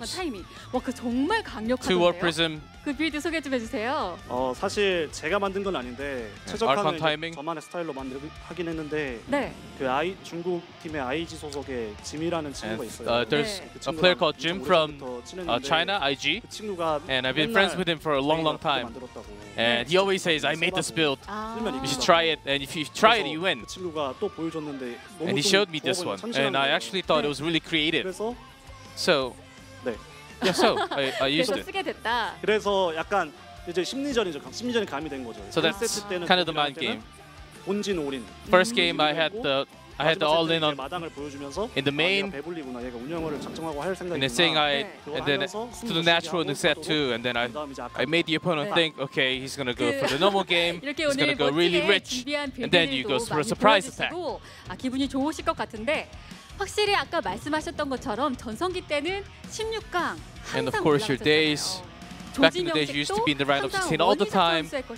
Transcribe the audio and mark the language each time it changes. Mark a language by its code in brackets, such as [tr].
[ko] 타이밍. 와, 그 정말 강력한데요. [en] Two warp prism. [ko] 그 빌드 소개 좀 해주세요. 어 사실 제가 만든 건 아닌데 최적화는 저만의 스타일로 만들긴 했는데. 네. 그 아이 중국 팀의 IG 소속의 짐이라는 친구가 있어요. [en] There's [ko] 네. [en] a player called Jim from China IG. [ko] 그 친구가 [en] and I've been friends with him for a long, long time. And he always says, I made this build. You should try it, and if you try it, you win. [ko] 그 친구가 또 보여줬는데. [en] And he showed me this one, and I actually thought [ko] 네. [en] it was really creative. [ko] 그래서 [en] so. [ko] 네. [en] Yeah, so I used it. [ko] 쓰게 됐다. 그래서 약간 이제 심리전이죠. 심리전이 감이 된 거죠. [en] So that's kind of the mind game. [ko] 본진 올인. [en] First game I had the all in on. [ko] 마당을 보여주면서. [en] In the main. [ko] 아, 배불리구나. 얘가 운영을 작정하고 할 생각이. [en] And then saying I [ko] 네. [en] and then to the natural in set 2 and then I made the opponent [ko] 네. [en] think, okay, he's gonna go 그, for the normal game. He's gonna go really rich. And then you go for a surprise attack. [ko] 아 기분이 좋으실 것 같은데. 확실히 아까 말씀하셨던 것처럼 전성기 때는 16강 [en] And of course, your days back in the days used to be in the round of 16 all the time.